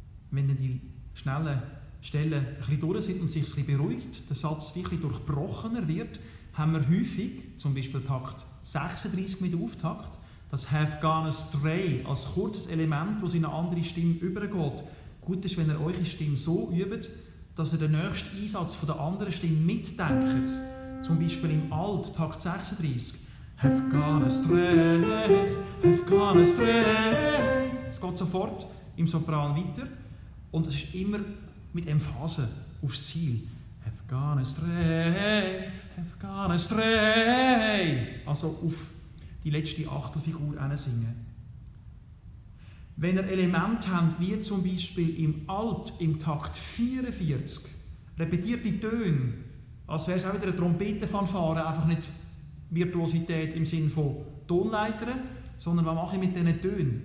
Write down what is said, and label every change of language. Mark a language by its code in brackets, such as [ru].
[de] Wenn dann die schnellen Stellen ein bisschen durch sind und sich ein bisschen beruhigt, der Satz ein bisschen durchbrochener wird, haben wir häufig, zum Beispiel Takt 36 mit Auftakt, das [en] have gone astray [de] als kurzes Element, das in eine andere Stimme übergeht. Gut ist, wenn ihr eure Stimme so übt, dass ihr den nächsten Einsatz von der anderen Stimme mitdenkt. Zum Beispiel im Alt, Takt 36. [en] Have gone astray, have gone astray. [de] Es geht sofort im Sopran weiter und es ist immer mit Emphase aufs Ziel. [en] Have gone astray, have gone astray. [de] Also auf die letzte Achtelfigur hinsingen. Wenn ihr Elemente habt, wie zum Beispiel im Alt, im Takt 44, repetiert die Töne, als wäre es auch wieder eine Trompetenfanfare, einfach nicht Virtuosität im Sinne von Tonleitern, sondern was mache ich mit diesen Tönen?